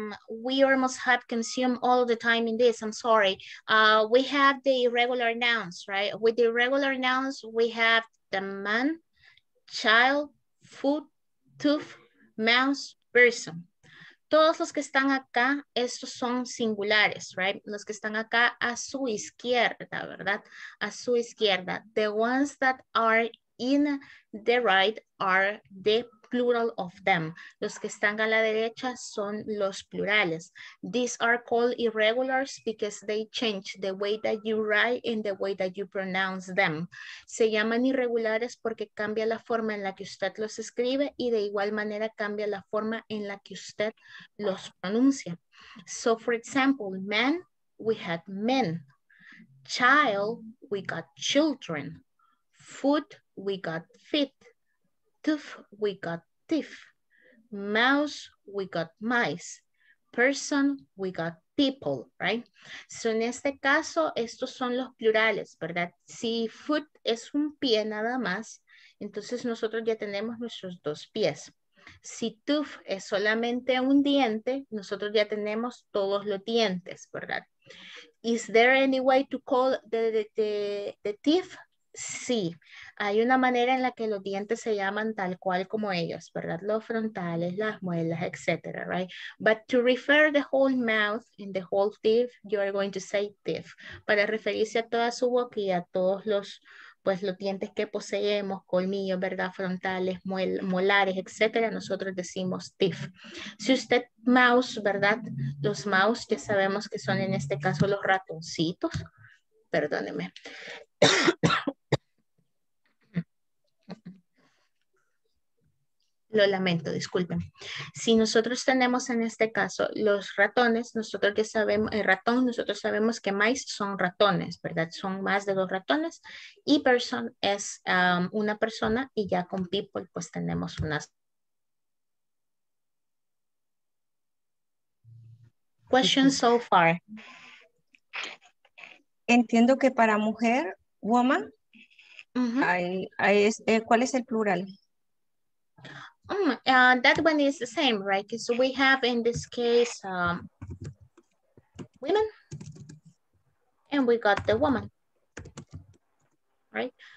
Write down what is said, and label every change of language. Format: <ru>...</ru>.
<en>We almost have consumed all the time in this. I'm sorry. We have the irregular nouns, right? With the irregular nouns, we have the man, child, foot, tooth, mouse, person.</en> <es>Todos los que están acá, estos son singulares, right? Los que están acá a su izquierda, ¿verdad? A su izquierda.</es> <en>The ones that are in the right are the plural of them.</en> <es>Los que están a la derecha son los plurales.</es> <en>These are called irregulars because they change the way that you write and the way that you pronounce them.</en> <es>Se llaman irregulares porque cambia la forma en la que usted los escribe y de igual manera cambia la forma en la que usted los pronuncia.</es> <en>So for example, man, we had men. Child, we got children. Foot, we got feet. Tooth, we got teeth. Mouse, we got mice. Person, we got people, right?</en> <es>So en este caso, estos son los plurales, ¿verdad? Si foot es un pie nada más, entonces nosotros ya tenemos nuestros dos pies. Si tooth es solamente un diente, nosotros ya tenemos todos los dientes, ¿verdad?</es> <en>Is there any way to call the teeth?</en> <es>Sí, hay una manera en la que los dientes se llaman tal cual como ellos, ¿verdad? Los frontales, las muelas, etcétera, right?</es> <en>But to refer the whole mouth and the whole teeth, you are going to say teeth.</en> <es>Para referirse a toda su boca y a todos los, pues, los dientes que poseemos, colmillos, ¿verdad? Frontales, molares, etcétera, nosotros decimos teeth. Si usted mouse, ¿verdad? Los mouse ya sabemos que son en este caso los ratoncitos. Perdóneme. Lo lamento, disculpen. Si nosotros tenemos en este caso los ratones, nosotros ya sabemos, el ratón, nosotros sabemos que mice son ratones, ¿verdad? Son más de dos ratones. Y person es una persona y ya con people pues tenemos unas.</es> <en>Question so far.</en> <es>Entiendo que para mujer, woman, ¿cuál es el plural?</es> <en>That one is the same, right? Because we have in this case women and we got the woman, right?</en>